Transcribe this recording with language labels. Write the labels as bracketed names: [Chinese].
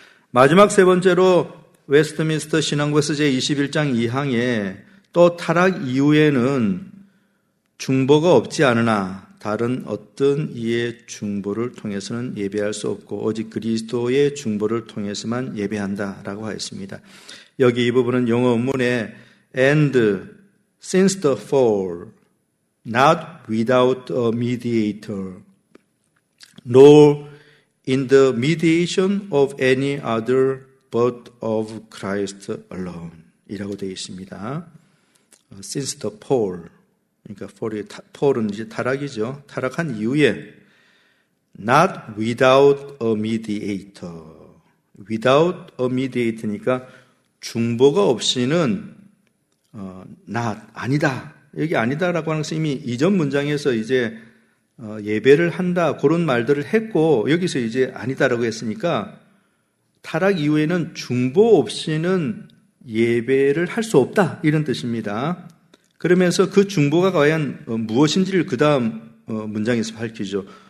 [Korean] 마지막 세 번째로 웨스트민스터 신앙국에서 제21장 2항에 또 타락 이후에는 중보가 없지 않으나 다른 어떤 이의 중보를 통해서는 예배할 수 없고 오직 그리스도의 중보를 통해서만 예배한다라고 하였습니다. 여기 이 부분은 영어 원문에 [English] And since the fall, not without a mediator, nor in the mediation of any other but of Christ alone [Korean] 이라고 되어 있습니다. [English] Since the fall, [Korean] 그러니까 fall이, fall은 이제 타락이죠. 타락한 이후에 [English] not without a mediator, without a mediator [Korean] 니까 중보가 없이는 not 아니다. 여기 아니다라고 하는 것은 이미 이전 문장에서 이제 예배를 한다 그런 말들을 했고 여기서 이제 아니다라고 했으니까 타락 이후에는 중보 없이는 예배를 할 수 없다 이런 뜻입니다. 그러면서 그 중보가 과연 무엇인지를 그 다음 문장에서 밝히죠.